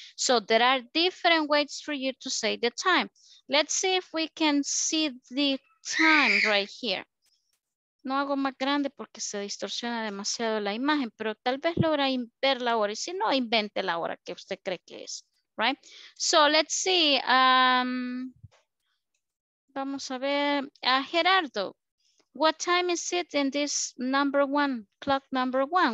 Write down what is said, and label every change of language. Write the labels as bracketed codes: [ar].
[en] So there are different ways for you to say the time. Let's see if we can see the time right here. [es] No hago más grande porque se distorsiona demasiado la imagen, pero tal vez logra ver la hora. Y si no, invente la hora que usted cree que es, [en] right? So let's see. [es] Vamos a ver. [en] Gerardo, what time is it in this number one, clock number one?